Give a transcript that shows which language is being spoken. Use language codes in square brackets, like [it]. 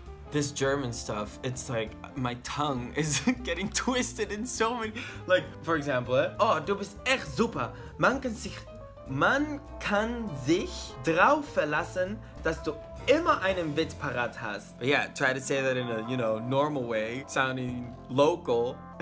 [en] This German stuff, it's like my tongue is getting twisted in so many, like, for example, [de] oh, du bist echt super. Man kann sich drauf verlassen, dass du immer einen Witz parat hast. [en] But yeah, try to say that in a, you know, normal way, sounding local.